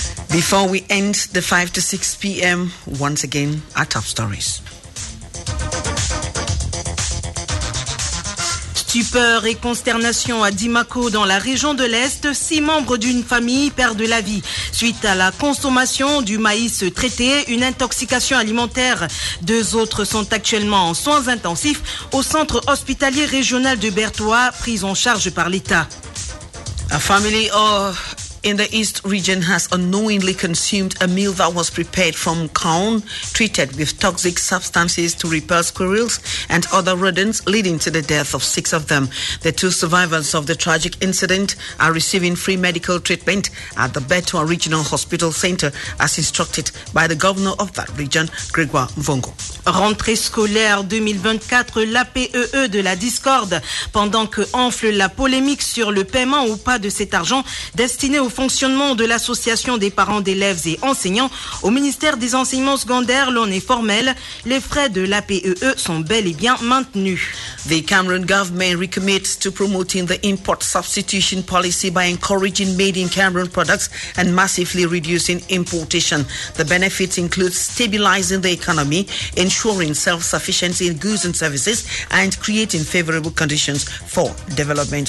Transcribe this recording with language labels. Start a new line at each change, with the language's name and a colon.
English: Before we end the 5 to 6 p.m., once again, our top stories.
French: Stupeur et consternation à Dimako dans la région de l'Est, 6 membres d'une famille perdent la vie. Suite à la consommation du maïs traité, une intoxication alimentaire. 2 autres sont actuellement en soins intensifs au centre hospitalier régional de Bertois, pris en charge par l'État.
English: A family in the East region has unknowingly consumed a meal that was prepared from corn, treated with toxic substances to repel squirrels and other rodents, leading to the death of 6 of them. The 2 survivors of the tragic incident are receiving free medical treatment at the Bertois Regional Hospital Center, as instructed by the governor of that region, Grégoire Mvongo.
French: Rentrée scolaire 2024, l'APEE de la discorde. Pendant que enfle la polémique sur le paiement ou pas de cet argent destiné au fonctionnement de l'association des parents d'élèves et enseignants, au ministère des enseignements secondaires, l'on est formel, les frais de l'APEE sont bel et bien maintenus.
English: The Cameroon government recommits to promoting the import substitution policy by encouraging made in Cameroon products and massively reducing importation. The benefits include stabilizing the economy, ensuring self-sufficiency in goods and services, and creating favorable conditions for development.